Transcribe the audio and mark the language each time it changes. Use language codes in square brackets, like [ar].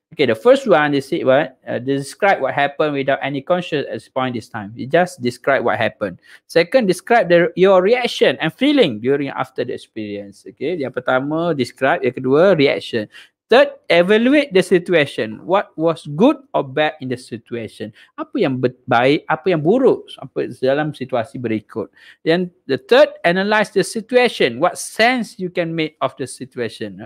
[en] Okay, the first one, they say what? They describe what happened without any conscious at this point this time. You just describe what happened. Second, describe your reaction and feeling during after the experience. Okay, [ms] yang pertama, [en] describe. [ms] Yang kedua, [en] reaction. Third, evaluate the situation. What was good or bad in the situation? [ms] Apa yang baik, apa yang buruk apa dalam situasi berikut. [en] Then the third, analyze the situation. What sense you can make of the situation?